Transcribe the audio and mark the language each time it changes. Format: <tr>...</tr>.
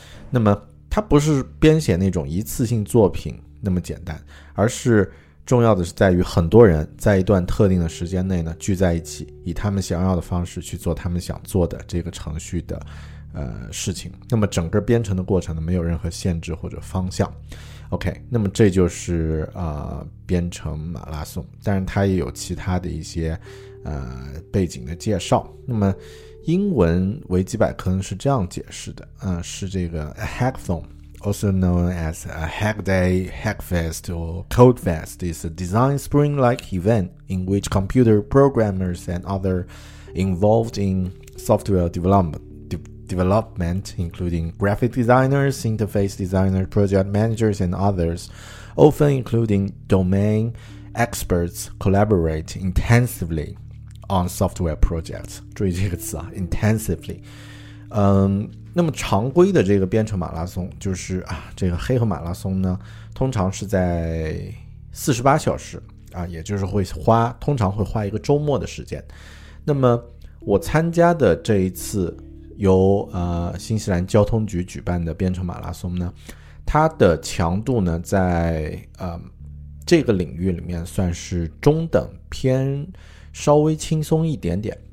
<zh>那么它不是编写那种一次性作品那么简单，而是重要的是在于很多人在一段特定的时间内呢聚在一起，以他们想要的方式去做他们想做的这个程序的事情。那么整个编程的过程呢没有任何限制或者方向。OK， 那么这就是编程马拉松，但是它也有其他的一些背景的介绍。那么英文维基百科是这样解释的，是这个</zh> <en>a hackathon， also known as a hack day, hack fest or code fest, is a design spring-like event in which computer programmers and other involved in software development, including graphic designers, interface designers, project managers, and others, often including domain experts, collaborate intensively on software projects.</en> <zh>注意这个词啊 ，intensively。那么常规的这个编程马拉松，就是这个黑客马拉松呢，通常是在48小时啊，也就是通常会花一个周末的时间。那么我参加的这一次，由新西兰交通局举办的编程马拉松呢，它的强度呢在这个领域里面算是中等，偏稍微轻松一点点。</zh>